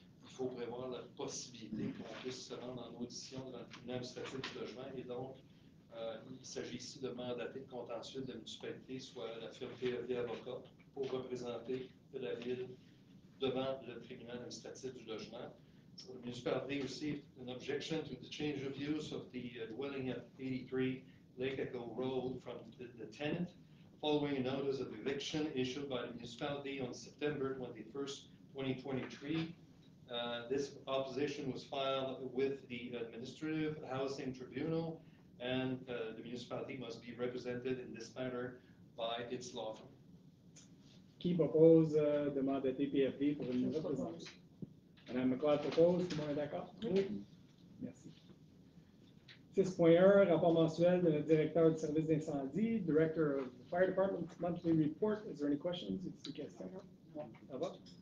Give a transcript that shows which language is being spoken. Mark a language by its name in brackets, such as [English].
[French] Il faut prévoir la possibilité qu'on puisse se rendre en audition devant le tribunal administratif du logement. Et donc, il s'agit ici de mandater le contentieux de la municipalité, soit la firme PEV Avocat, pour représenter la ville devant le tribunal administratif du logement. [English] So, the municipality received an objection to the change of use of the dwelling at 83 Lake Echo Road from the tenant following a notice of eviction issued by the municipality on September 21st, 2023. This opposition was filed with the Administrative Housing Tribunal, and the municipality must be represented in this matter by its law firm. [French] Qui propose de mandater PFD pour une représentation? Madame McLeod propose, tout le monde est d'accord? Oui. Merci. 6.1, rapport mensuel de directeur du service d'incendie, [English] director of the fire department, monthly report. Is there any questions? [French] Est-ce des questions? Ça va?